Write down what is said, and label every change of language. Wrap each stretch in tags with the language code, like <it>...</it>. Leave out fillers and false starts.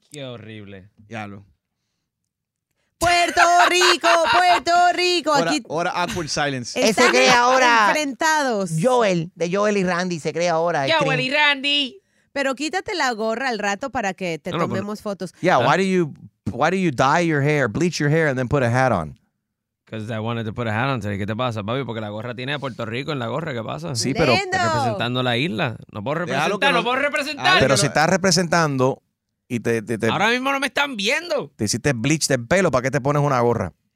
<es>Qué horrible. Ya, lo. Puerto Rico, Puerto Rico. Ahora</es> <en>awkward silence.</en> <es>Él se cree ahora. Enfrentados. Joel, de Joel y Randy, se cree ahora. Joel y Randy. Pero quítate la gorra al rato para que te tomemos fotos.</es> <en>Yeah, why do you dye your hair, bleach your hair, and then put a hat on? Because I wanted to put a hat on today.</en> <es>¿Qué te pasa, papi? Porque la gorra tiene a Puerto Rico en la gorra. ¿Qué pasa? Sí, pero representando la isla. No puedo representar, no puedo representar. Pero si estás representando... Y te ahora mismo no me están viendo. Te hiciste bleach del pelo, ¿para qué te pones una gorra?</es>